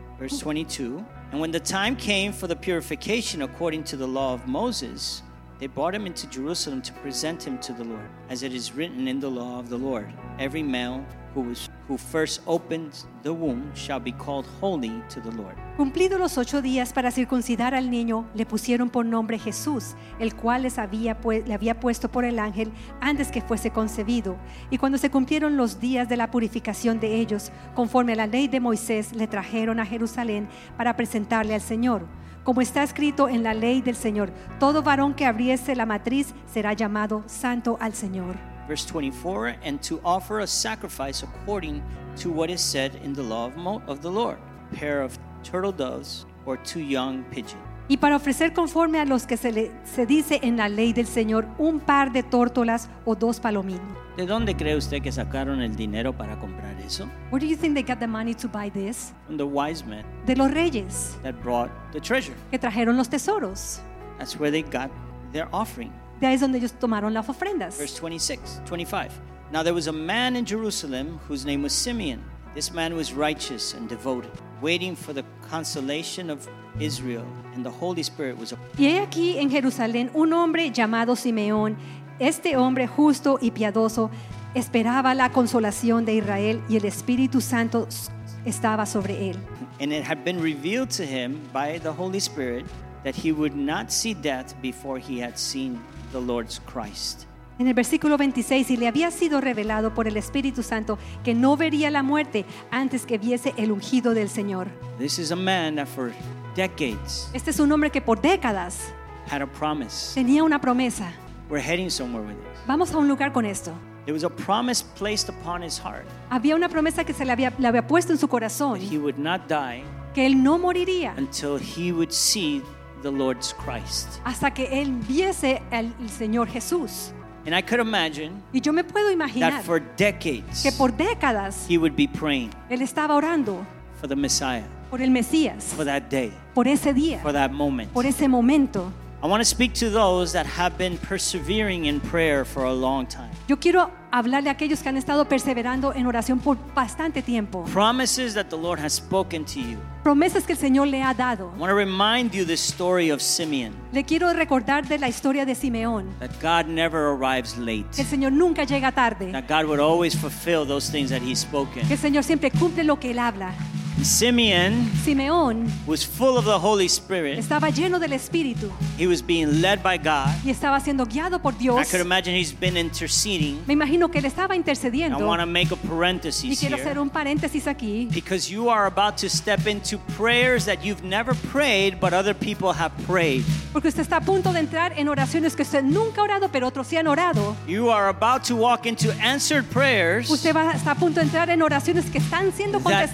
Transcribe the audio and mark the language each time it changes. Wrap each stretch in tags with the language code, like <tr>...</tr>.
<en>Verse 22, and when the time came for the purification according to the law of Moses, they brought him into Jerusalem to present him to the Lord, as it is written in the law of the Lord, every male who first opened the womb shall be called holy to the Lord.</en> <es>Cumplido los 8 días para circuncidar al niño, le pusieron por nombre Jesús, el cual le había puesto por el ángel antes que fuese concebido. Y cuando se cumplieron los días de la purificación de ellos, conforme a la ley de Moisés, le trajeron a Jerusalén para presentarle al Señor. Como está escrito en la ley del Señor, todo varón que abriese la matriz será llamado santo al Señor.</es> <en>Verse 24, and to offer a sacrifice according to what is said in the law of the Lord, a pair of turtle doves or 2 young pigeons.</en> <es>Y para ofrecer conforme a los que se dice en la ley del Señor, un par de tórtolas o 2 palominos. ¿De dónde cree usted que sacaron el dinero para comprar eso?</es> <en>Where do you think they got the money to buy this? From the wise men.</en> <es>De los reyes.</es> <en>That brought the treasure.</en> <es>Que trajeron los tesoros.</es> <en>That's where they got their offering.</en> <es>De ahí es donde ellos tomaron las ofrendas.</es> <en>Verse 26, 25. Now there was a man in Jerusalem whose name was Simeon. This man was righteous and devoted, waiting for the consolation of Israel, and the Holy Spirit was upon</en> <es>him. Y he aquí en Jerusalén un hombre llamado Simeón. Este hombre justo y piadoso esperaba la consolación de Israel, y el Espíritu Santo estaba sobre él.</es> <en>And it had been revealed to him by the Holy Spirit that he would not see death before he had seen the Lord's Christ.</en> <es>En el versículo 26, y le había sido revelado por el Espíritu Santo que no vería la muerte antes que viese el ungido del Señor.</es> <en>This is a man that for decades.</en> <es>Este es un hombre que por décadas</es> <en>had a promise.</en> <es>Tenía una promesa.</es> <en>We're heading somewhere with this.</en> <es>Vamos a un lugar con esto.</es> <en>There was a promise placed upon his heart.</en> <es>Había una promesa que se le había puesto en su corazón.</es> <en>That he would not die.</en> <es>Que él no moriría.</es> <en>Until he would see the Lord's Christ.</en> <es>Hasta que él viese al Señor Jesús.</es> <en>And I could imagine.</en> <es>Y yo me puedo imaginar.</es> <en>That for decades.</en> <es>Que por décadas.</es> <en>He would be praying.</en> <es>Él estaba orando.</es> <en>For the Messiah.</en> <es>Por el Mesías.</es> <en>For that day.</en> <es>Por ese día.</es> <en>For that moment.</en> <es>Por ese momento.</es> <en>I want to speak to those that have been persevering in prayer for a long time.</en> <es>Yo quiero hablarle a aquellos que han estado perseverando en oración por bastante tiempo.</es> <en>Promises that the Lord has spoken to you.</en> <es>Promesas que el Señor le ha dado.</es> <en>I want to remind you the story of Simeon.</en> <es>Le quiero recordar de la historia de Simeón.</es> <en>That God never arrives late.</en> <es>El Señor nunca llega tarde.</es> <en>That God would always fulfill those things that He's spoken.</en> <es>Que el Señor siempre cumple lo que Él habla.</es> <en>Simeon was full of the Holy Spirit.</en> <es>Estaba lleno del Espíritu.</es> <en>He was being led by God.</en> <es>Y estaba siendo guiado por Dios.</es> <en>I could imagine he's been interceding.</en> <es>Me imagino que él estaba intercediendo.</es> <en>I want to make a parenthesis here.</en> <es>Y quiero hacer un paréntesis aquí.</es> <en>Because you are about to step into prayers that you've never prayed, but other people have prayed.</en> <es>Porque usted está a punto de entrar en oraciones que usted nunca ha orado, pero otros sí han orado.</es> <en>You are about to walk into answered prayers.</en> <es>Usted va a estar a punto de entrar en oraciones que están siendo contestadas.</es>